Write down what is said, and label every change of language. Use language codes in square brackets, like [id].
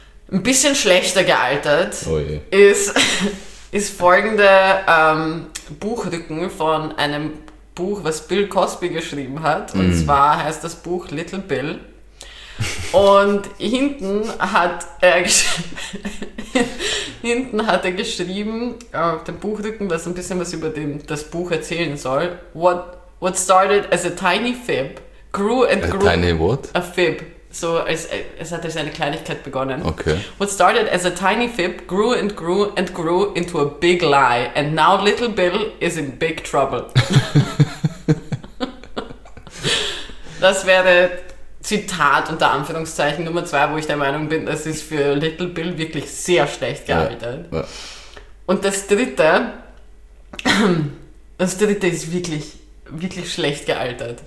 [de] Ein bisschen schlechter gealtert ist folgende Buchrücken von einem Buch, was Bill Cosby geschrieben hat. Und zwar heißt das Buch Little Bill. Und hinten hat er geschrieben auf dem Buchrücken, was ein bisschen was über das Buch erzählen soll. [en] What started as a tiny fib grew and grew. A tiny what? A fib. [de] So es hat als eine Kleinigkeit begonnen. [en] Okay. What started as a tiny fib grew and grew and grew into a big lie, and now little Bill is in big trouble. [de] Das wäre Zitat unter Anführungszeichen Nummer 2, wo ich der Meinung bin, das ist für Little Bill wirklich sehr schlecht gealtert. Ja, ja. Und das dritte ist wirklich, wirklich schlecht gealtert.